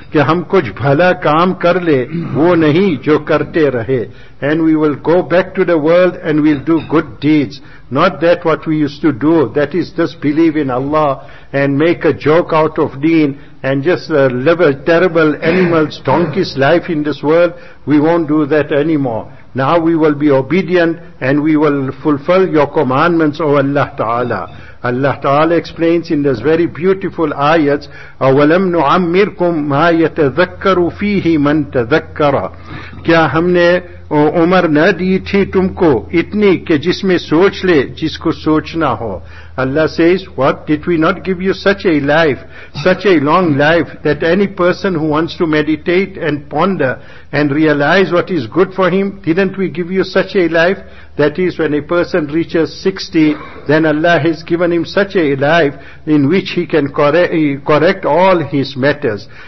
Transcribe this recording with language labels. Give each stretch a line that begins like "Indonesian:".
Urdu: کہ ہم کچھ بھلا کام کر لے وہ نہیں جو کرتے رہے.
English: And we will go back to the world and we'll do good deeds. Not that what we used to do, that is just believe in Allah and make a joke out of deen and just live a terrible animal's, donkey's life in this world. We won't do that anymore. Now we will be obedient and we will fulfill your commandments, O Allah Ta'ala. Allah Ta'ala explains in this very beautiful ayat,
Arabic: أَوَلَمْ نُعَمِّرْكُمْ مَا يَتَذَكَّرُ فِيهِ مَنْ تَذَكَّرَ.
Urdu: کیا ہم نے عمر نہ دی تھی تم کو اتنی کہ جس میں سوچ لے جس کو سوچنا ہو.
English: Allah says, what, did we not give you such a life, such a long life, that any person who wants to meditate and ponder and realize what is good for him, didn't we give you such a life? That is, when a person reaches 60, then Allah has given him such a life in which he can correct all his matters.